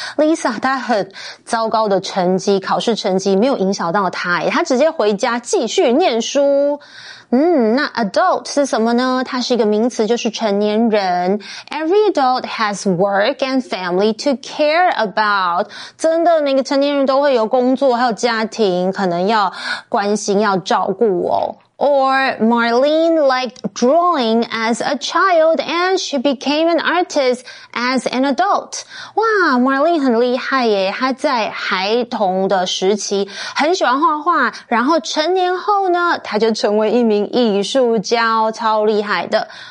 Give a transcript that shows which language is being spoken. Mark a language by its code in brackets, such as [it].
[zh] Lisa 她很糟糕的成绩，考试成绩没有影响到她，她直接回家继续念书。那 adult 是什么呢？它是一个名词，就是成年人。 [en] Every adult has work and family to care about. [zh] 真的，那个成年人都会有工作，还有家庭，可能要关心，要照顾哦。 [en] Or Marlene liked drawing as a child and she became an artist as an adult. [zh] 哇 ,Marlene 很厉害耶，她在孩童的时期很喜欢画画，然后成年后呢，她就成为一名艺术家，超厉害的。